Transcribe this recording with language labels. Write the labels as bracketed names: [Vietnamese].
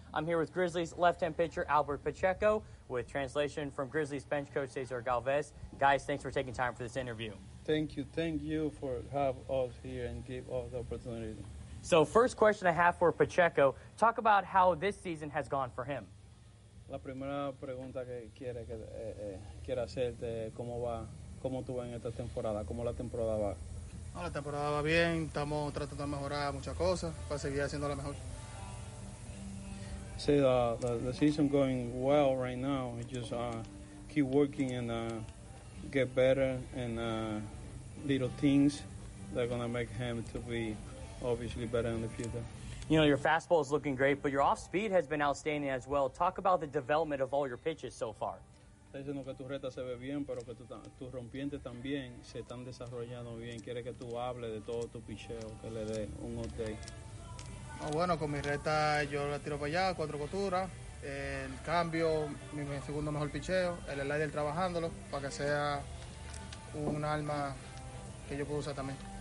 [English] I'm here with Grizzlies left-hand pitcher Albert Pacheco with translation from Grizzlies bench coach Cesar Galvez. Guys, thanks for taking time for this interview. Thank you. Thank you for having us here and give us the opportunity. So first question I have for Pacheco, talk about how this season has gone for him. [Spanish] La primera pregunta que quiere hacerte, ¿cómo va? ¿Cómo tú en esta temporada? ¿Cómo la temporada va? No, la temporada va bien, estamos tratando de mejorar muchas cosas para seguir haciendo la mejor. [English] Say the season going well right now. We just keep working and get better and little things that are going to make him to be obviously better in the future. You know, your fastball is looking great, but your off speed has been outstanding as well. Talk about the development of all your pitches so far. [Spanish] Está diciendo que tu recta se ve bien, pero que tu rompiente también se están desarrollando bien. Quiere que tú hables de todo tu picheo, que le dé un update. Bueno, con mi recta yo la tiro para allá, cuatro costuras. El cambio, mi segundo mejor picheo, el slider trabajándolo para que sea un arma que yo pueda usar también.